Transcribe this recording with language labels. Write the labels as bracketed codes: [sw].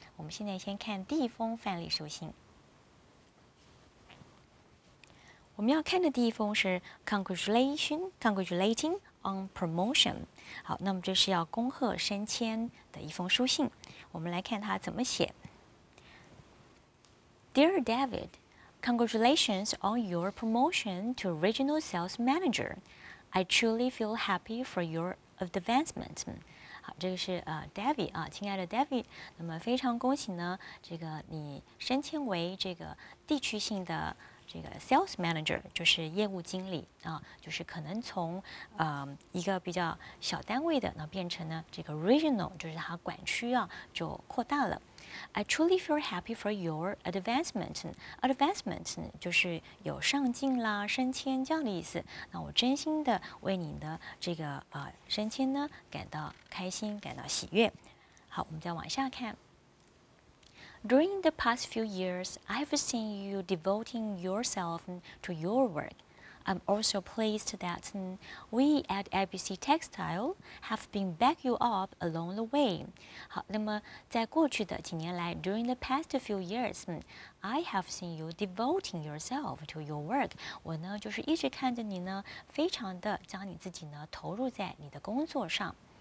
[zh] 我们现在先看第一封范例书信。我们要看的第一封是 Congratulating on promotion。好，那么这是要恭贺升迁的一封书信，我们来看它怎么写。 [en] Dear David, Congratulations on your promotion to Regional Sales Manager. I truly feel happy for your advancement. [zh] 好，这个是David 啊，亲爱的 David， 那么非常恭喜呢，这个你升迁为这个地区性的这个 sales manager 就是业务经理啊，就是可能从一个比较小单位的那变成呢这个 regional， 就是他管区啊就扩大了。 [en] I truly feel happy for your advancement. [zh] Advancement 就是有上进啦、升迁这样的意思。那我真心的为你的这个升迁呢感到开心、感到喜悦。好，我们再往下看。 [en] During the past few years, I've seen you devoting yourself to your work. I'm also pleased that we at ABC Textile have been back you up along the way. [zh] 好，那么在过去的几年来 [en] ，during the past few years, I have seen you devoting yourself to your work. [zh] 我呢，就是一直看着你呢，非常的将你自己呢投入在你的工作上。